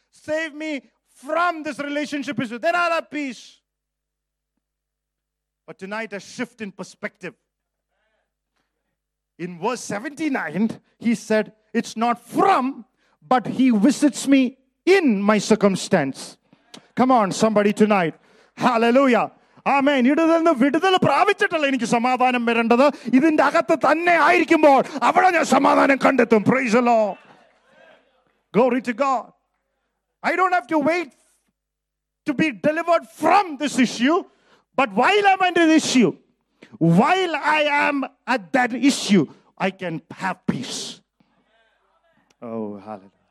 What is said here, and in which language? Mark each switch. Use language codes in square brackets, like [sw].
[en] Save me from this relationship issue. Then I'll have peace. But tonight, a shift in perspective. In verse 79, he said, it's not from, but he visits me in my circumstance. Come on, somebody tonight. Hallelujah. Amen. [ml] ഇടുന്ന വിടുതൽ പ്രാപിച്ചിട്ടല്ല എനിക്ക് സമാധാനം വരേണ്ടത്. ഇതിന്റെ അകത്ത് തന്നെ ആയിരിക്കുമ്പോൾ അവിടെ ഞാൻ സമാധാനം കണ്ടെത്തും. [en] Praise the Lord. Glory to God. I don't have to wait to be delivered from this issue. But while I'm under this issue, while I am at that issue, I can have peace. Oh, hallelujah.